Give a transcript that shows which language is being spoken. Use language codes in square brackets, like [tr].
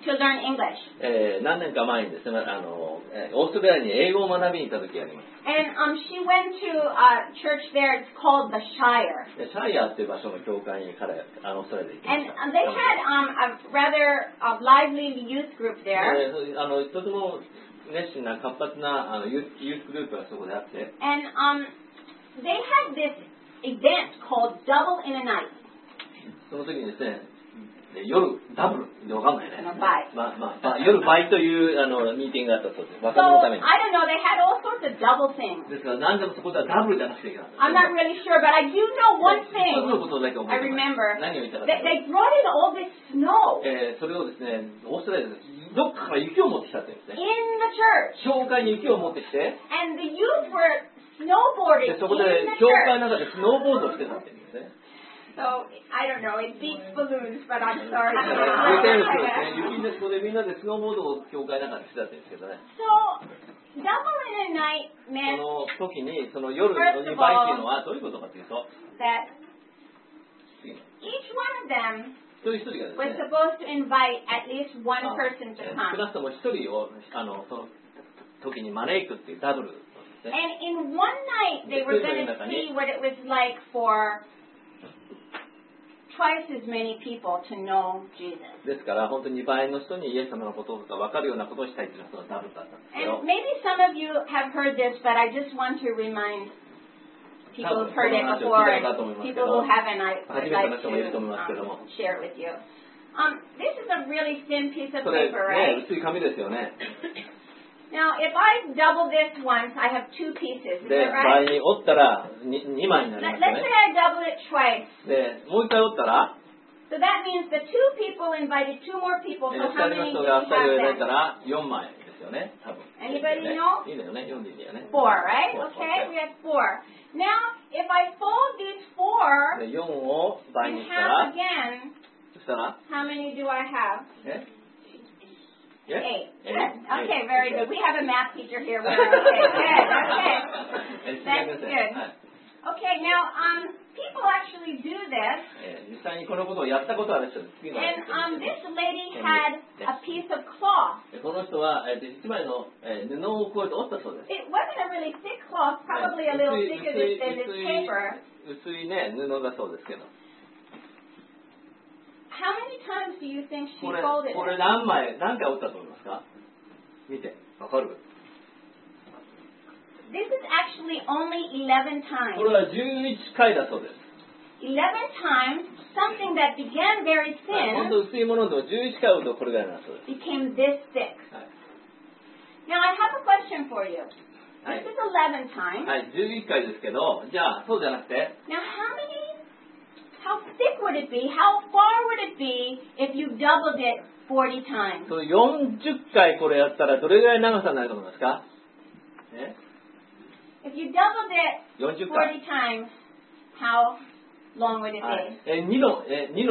[en] And she went to a church there. It's called the Shire. [ja] Shire っていう場所の教会に彼、それで行きました。 [en] And they had a rather a lively youth group there. [ja] とても熱心な活発なユースグループがそこであって。 [en] And they had this event called Double in a Night. [ja] その時にですね。夜ダブルで分かんないね。倍。夜倍というミーティングがあったそうです。若者のために。 [en] So, I don't know. They had all sorts of double things. [ja] ですから何でもそこではダブルじゃなくていいから。 [en] I'm not really sure, but I do know one thing. [ja] 一つのことだけ覚えてます。 [en] I remember. [ja] 何を言ったか。 [en] They brought in all this snow. [ja] それをですね、オーストラリアです。どっかから雪を持ってきたって言うんですね。 [en] In the church. [ja] 教会に雪を持ってきて。 [en] And the youth were snowboarding in the church. [ja] そこで教会の中でスノーボードをしてたって言うんですね。 [en] So, I don't know, it beats balloons, but I'm sorry. [ja] 雪天使ですね。雪天使でみんなでスノーボードを教会なんかしてたんですけどね。 [en] So, double in a night meant, [ja] その時に、その夜の2倍っていうのはどういうことかというと、 [en] that each one of them was supposed to invite at least one person to come. [ja] 少なくとも一人を、その時に招くっていうダブル。 [en] And in one night, they were going to see what it was like for twice as many people to know Jesus. [ja] ですから本当に2倍の人にイエス様のことが分かるようなことをしたいというのがダブルだったんですよ。 [en] And maybe some of you have heard this, but I just want to remind people who've heard it before, people who haven't, I'd like to share with you. This is a really thin piece of paper, right? [ja] 薄い紙ですよね。 [en] Now, if I double this once, I have two pieces. Is that right? [ja] 倍に折ったら 2枚になりますね。 [en] Let's say I double it twice. [ja] で、もう一回折ったら? [en] So that means the two people invited two more people. So how many do you have then? [ja] 2人の人が2人を入れたら4枚ですよね、多分。 [en] Anybody know? [ja] いいのよね、4人でいいよね。 [en] 4, right? Okay, we have 4. Now, if I fold these 4, [ja] で、4を倍にしたら、 [en] and half again, [ja] そしたら? [en] How many do I have? [ja] え? [en] Eight. Okay, very good. We have a math teacher here. Okay. That's good. Okay, now, people actually do this. And this lady had a piece of cloth. It wasn't a really thick cloth, probably a little thicker than this paper. How many times do you think she folded it? [ja] これ何枚、何回折ったと思いますか? 見て、わかる? [en] This is actually only 11 times. [ja] これは11回だそうです。 [en] 11 times, something that began very thin, [ja] 本当薄いものでも11回折るとこれぐらいだそうです。 [en] Became this thick. Now I have a question for you. This is 11 times. [ja] はい、11回ですけど、じゃあそうじゃなくて。 [en] Now how many? How thick would it be? How far would it be if you doubled it 40 times? [ja] So 40回これやったらどれぐらい長さになると思いますか? [en] If you doubled it 40 times, how long would it be?